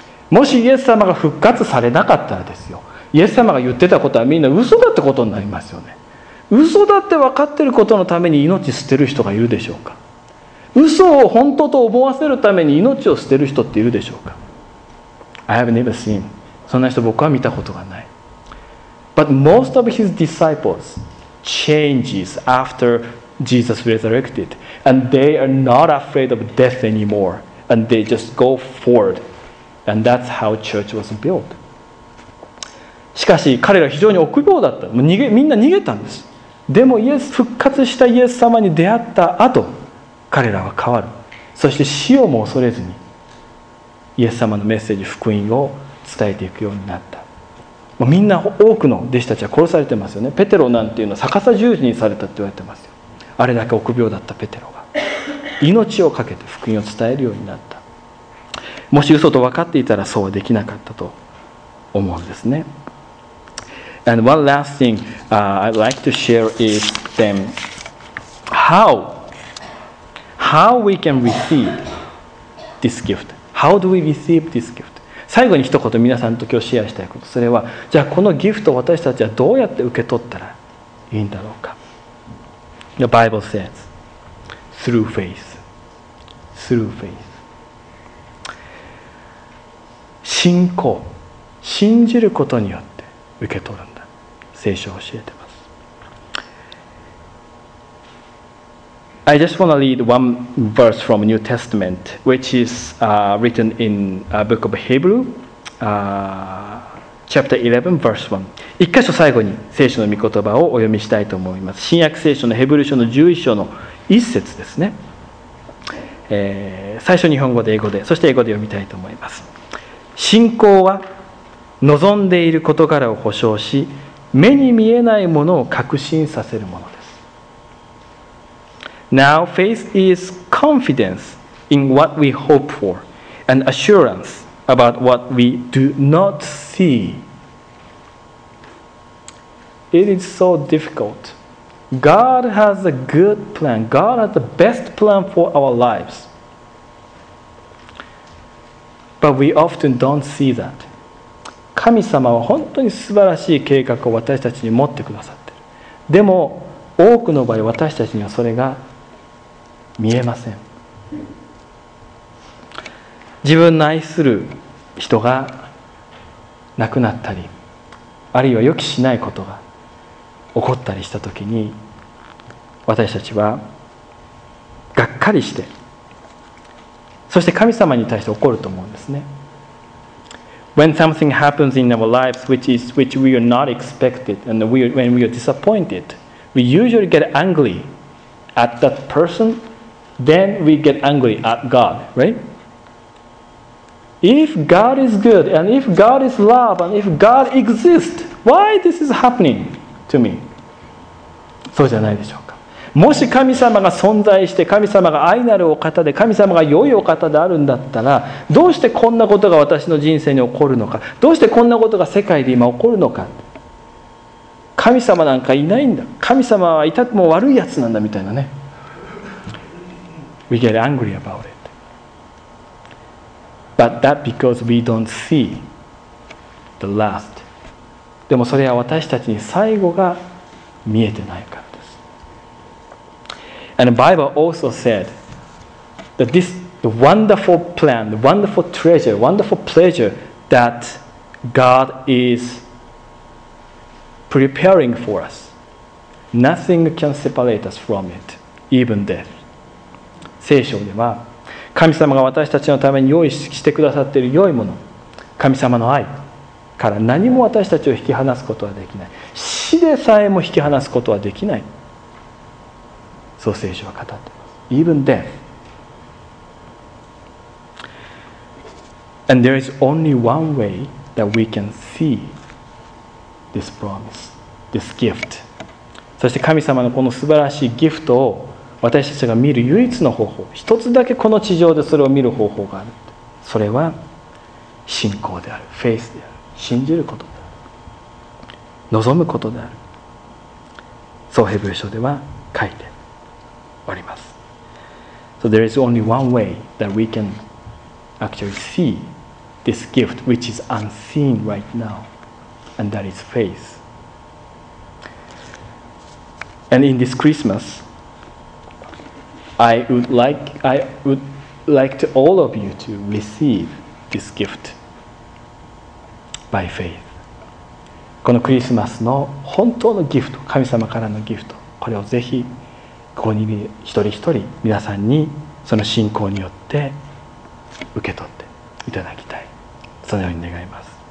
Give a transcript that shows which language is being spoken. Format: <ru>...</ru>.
<ja>もしイエス様が復活されなかったらですよ。イエス様が言ってたことはみんな嘘だってことになりますよね。嘘だって分かってることのために命捨てる人がいるでしょうか。嘘を本当と思わせるために命を捨てる人っているでしょうか。</ja> <en>I have never seen.</en> <ja>そんな人僕は見たことがない。</ja> <en>But most of his disciples. Changes after Jesus resurrected, and they are not afraid of death anymore, and they just go forward, and that's how church was built.</en> <ja>しかし彼ら非常に臆病だった。もう逃げ、みんな逃げたんです。でもイエス、復活したイエス様に出会った後、彼らは変わる。そして死をも恐れずにイエス様のメッセージ、福音を伝えていくようになった。みんな、多くの弟子たちは殺されてますよね。ペテロなんていうのは逆さ十字にされたって言われてますよ。あれだけ臆病だったペテロが命を懸けて福音を伝えるようになった。もし嘘と分かっていたらそうはできなかったと思うんですね。</ja> <en>And one last thing I'd like to share is then how we can receive this gift. How do we receive this gift?</en> <ja>最後に一言皆さんと今日シェアしたいこと、それはじゃあこのギフトを私たちはどうやって受け取ったらいいんだろうか。</ja> <en>The Bible says through faith. Through faith.</en> <ja>信仰、信じることによって受け取るんだ。聖書を教えてます。</ja> <en>I just want to read one verse from New Testament which is written in a book of Hebrew chapter 11 verse 1.</en> <ja>一箇所最後に聖書の御言葉をお読みしたいと思います。新約聖書のヘブル書の11章の1節ですね。最初日本語で英語で、そして英語で読みたいと思います。信仰は望んでいる事柄を保証し、目に見えないものを確信させるものです。</ja> <en>Now faith is confidence in what we hope for and assurance about what we do not see. It is so difficult. God has a good plan. God has the best plan for our lives. But we often don't see that.</en> <ja>神様は本当に素晴らしい計画を私たちに持ってくださっている。でも多くの場合私たちにはそれが見えません。自分の愛する人が亡くなったり、あるいは予期しないことが起こったりしたときに、私たちはがっかりして、そして神様に対して怒ると思うんですね。</ja> <en>When something happens in our lives which we are not expected and when we are disappointed, we usually get angry at that person, then we get angry at God, right? If God is good and if God is love and if God exists, why this is happening to me?</en> <ja>そうじゃないでしょうか。もし神様が存在して、神様が愛なるお方で、神様が良いお方であるんだったら、どうしてこんなことが私の人生に起こるのか、どうしてこんなことが世界で今起こるのか。神様なんかいないんだ、神様はいたもう悪いやつなんだみたいなね。</ja> <en>We get angry about itBut that because we don't see the last.</en> <ja>でもそれは私たちに最後が見えてないからです。</ja> <en>And the Bible also said that this the wonderful plan, the wonderful treasure, wonderful pleasure that God is preparing for us. Nothing can separate us from it, even death.</en> <ja>聖書では神様が私たちのために用意してくださっている良いもの、神様の愛から何も私たちを引き離すことはできない。死でさえも引き離すことはできない。そう聖書は語っています。</ja> <en>Even death. And there is only one way that we can see this promise, this gift.</en> <ja>そして神様のこの素晴らしいギフトを私たちが見る唯一の方法、一つだけこの地上でそれを見る方法がある。それは信仰である、フェイスである、信じることである、望むことである。そうヘブル書では書いております。</ja> <en>So there is only one way that we can actually see this gift which is unseen right now, and that is faith. And in this Christmas,I would like to all of you to receive this gift by faith.</en> <ja>このクリスマスの本当のギフト、神様からのギフト、これをぜひここに一人一人皆さんにその信仰によって受け取っていただきたい。そのように願います。</ja>